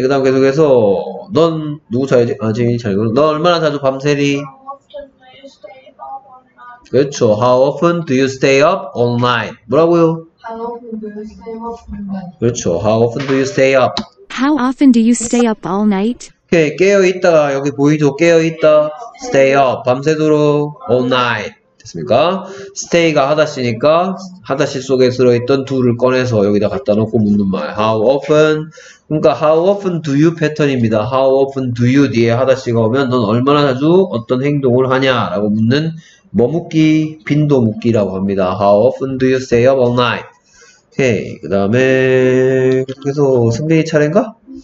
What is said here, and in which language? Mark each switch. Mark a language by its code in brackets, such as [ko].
[ko] 그 다음 계속해서 넌 누구 자야지? 아, 지민이 잘 읽어. 넌 얼마나 자주 밤새니? [en] How often do you stay up all night? 그렇죠. How often do you stay up all night? [ko] 뭐라고요? [en] How often do you stay up all night? 그렇죠. How often do you stay up? How often do you stay up all night? [ko] 오케이. 깨어있다가 여기 보이죠? 깨어있다. [en] Stay up. [ko] 밤새도록. [en] All night. [ko] 됐습니까? Stay가 하다시니까 하다시 속에 들어있던 둘을 꺼내서 여기다 갖다 놓고 묻는 말. [en] How often. [ko] 그러니까 [en] How often do you [ko] 패턴입니다. [en] How often do you [ko] 뒤에 하다시가 오면 넌 얼마나 자주 어떤 행동을 하냐라고 묻는 머묻기, 빈도 묻기라고 합니다. [en] How often do you stay up all night? [ko] 오케이. 그 다음에 그래서 선배님 차례인가?